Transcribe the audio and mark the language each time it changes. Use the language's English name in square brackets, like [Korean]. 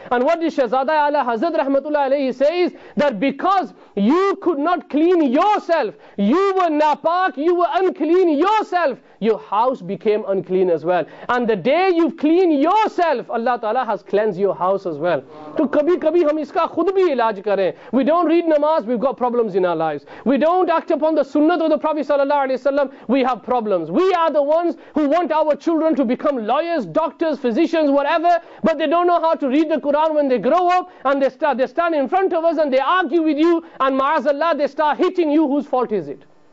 [English] And what did Shahzada Ala Hazrat Rahmatullah Alayhi says? That because you could not clean yourself, you were napak, you were unclean yourself, your house became unclean as well. And the day you clean yourself, Allah Ta'ala has cleansed your house as well. [Urdu] So کبھی کبھی ہم اس کا خود بھی علاج کریں. [English] We don't read namaz, we've got problems in our lives. We don't act upon the sunnah of the Prophet sallallahu alaihi wasallam, we have problems. We are the ones who want our children to become lawyers, doctors, physicians, whatever, but they don't know how to read the Quran when they grow up, and they stand in front of us and they argue with you, and ma'azallah, they start hitting you. Whose fault is it?